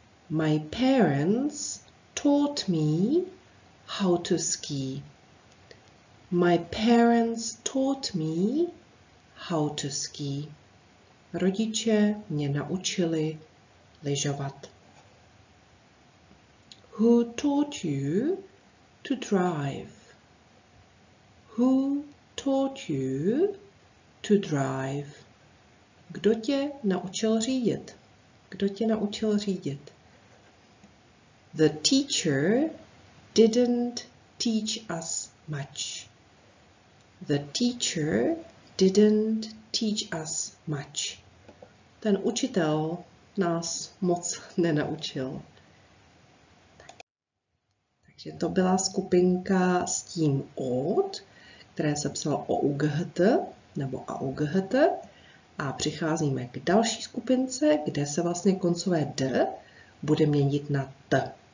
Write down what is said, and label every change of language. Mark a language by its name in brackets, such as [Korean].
[English] My parents taught me how to ski. My parents taught me how to ski. [Czech] Rodiče mě naučili lyžovat. [English] Who taught you to drive? Who taught you to drive? [Czech] Kdo tě naučil řídit? Kdo tě naučil řídit? [English] The teacher didn't teach us much. The teacher didn't teach us much. [Czech] Ten učitel nás moc nenaučil. Takže to byla skupinka s tím od, které se psalo o ught nebo a ught. A přicházíme k další skupince, kde se vlastně koncové d bude měnit na t.